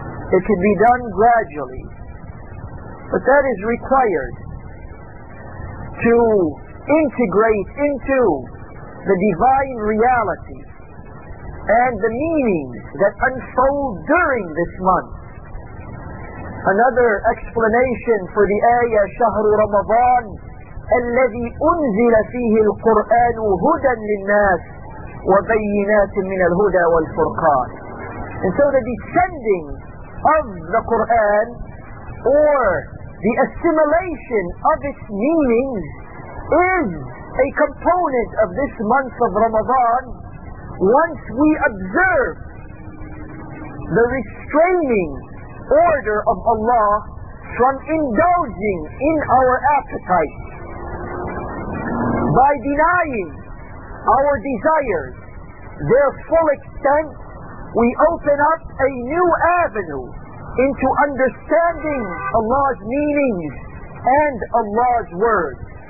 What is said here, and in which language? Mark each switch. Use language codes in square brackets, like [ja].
[en] It can be done gradually, but that is required to integrate into the divine reality and the meanings that unfold during this month. Another explanation for the ayah, [ar] شهر رمضان الذي أنزل فيه القرآن هدى للناس وبينات من الهدى والفرقان. [en] And so the descending of the Quran, or the assimilation of its meanings, is a component of this month of Ramadan. Once we observe the restraining order of Allah from indulging in our appetites, by denying our desires their full extent, we open up a new avenue into understanding Allah's meanings and Allah's words.